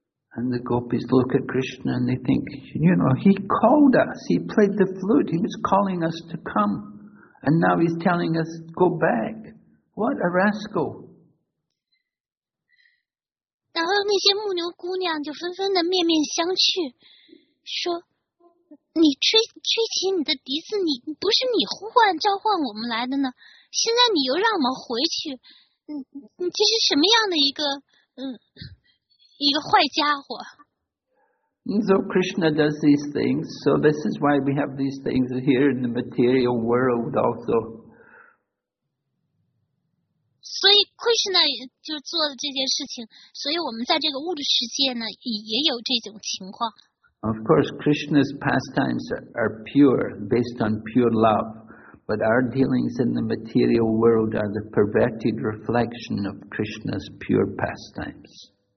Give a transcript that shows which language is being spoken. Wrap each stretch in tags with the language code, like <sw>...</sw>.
<en>And the gopis look at Krishna and they think, you know, he called us, he played the flute, he was calling us to come, and now he's telling us go back. What a rascal!</en> <zh>然后那些牧牛姑娘就纷纷的面面相觑，说：“你吹起你的笛子，你不是你呼唤召唤我们来的呢？现在你又让我们回去，你这是什么样的一个坏家伙？”</zh> <en>So Krishna does these things. So this is why we have these things here in the material world also.</en> <zh>所以 Krishna 就做了这件事情，所以我们在这个物质世界呢也有这种情况。</zh> <en>Of course, Krishna's pastimes are pure, based on pure love, but our dealings in the material world are the perverted reflection of Krishna's pure pastimes.</en>